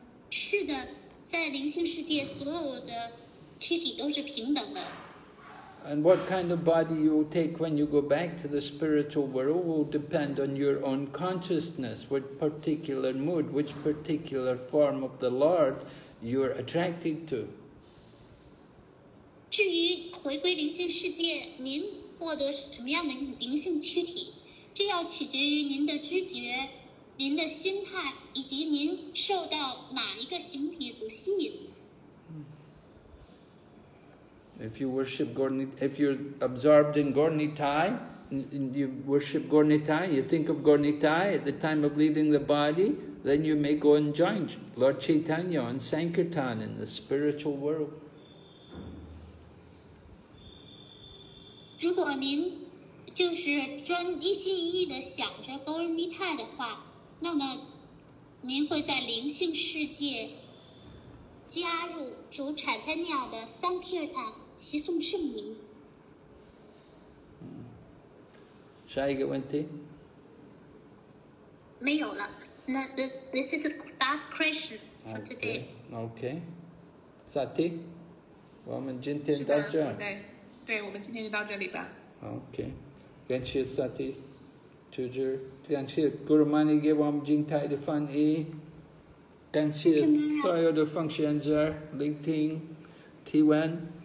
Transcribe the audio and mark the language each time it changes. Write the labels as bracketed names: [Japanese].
[Chinese] 是的，在灵性世界，所有的躯体都是平等的。 [English] And what kind of body you will take when you go back to the spiritual world will depend on your own consciousness, which particular mood, which particular form of the Lord you are attracted to. [Chinese] 至于回归灵性世界，您获得什么样的灵性躯体，这要取决于您的知觉、您的心态以及您受到哪一个形体所吸引。 [English] If you worship Gauranitai, if you're absorbed in Gauranitai, you worship Gauranitai, you think of Gauranitai at the time of leaving the body, then you may go and join Lord Chaitanya on Sankirtan in the spiritual world. [Chinese] 如果您就是专一心一意地想着 Gauranitai 的话，那么您会在灵性世界加入主 Chaitanya 的 Sankirtan。齐颂圣名。下一个问题。没有了。 [English] 那 this is the last question for today. [Chinese] Okay. Sati, 我们今天到这。对，我们今天就到这里吧。 Okay. 感谢 Sati, 主持人，感谢 Guru Mani 给我们精彩的翻译，感谢所有的奉献者 Ling Ting, T Wen。